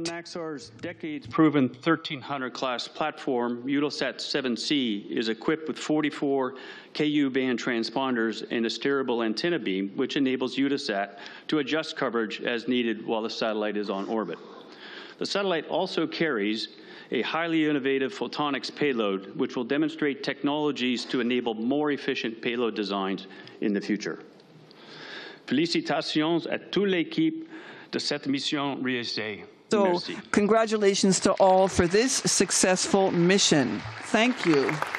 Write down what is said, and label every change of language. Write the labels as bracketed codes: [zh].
[en] Based on Maxar's decades-proven 1300-class platform, EUTELSAT 7C is equipped with 44 Ku-band transponders and a steerable antenna beam, which enables EUTELSAT to adjust coverage as needed while the satellite is on orbit. The satellite also carries a highly innovative photonics payload, which will demonstrate technologies to enable more efficient payload designs in the future. [fr] Félicitations à toute l'équipe de cette mission réussie. [en] So, congratulations to all for this successful mission. Thank you.